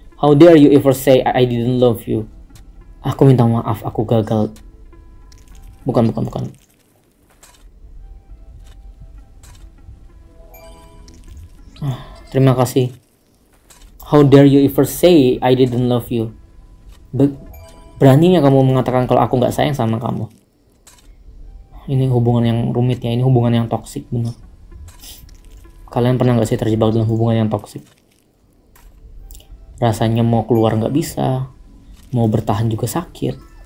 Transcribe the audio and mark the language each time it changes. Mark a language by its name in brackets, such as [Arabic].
[English] How dare you ever say I didn't love you? [Indonesian] Aku minta maaf, aku gagal. Bukan. Terima kasih. [English] How dare you ever say I didn't love you? [Indonesian] Beraninya kamu mengatakan kalau aku gak sayang sama kamu. Ini hubungan yang rumit ya, ini hubungan yang toksik bener. Kalian pernah gak sih terjebak dalam hubungan yang toksik? Rasanya mau keluar gak bisa, mau bertahan juga sakit.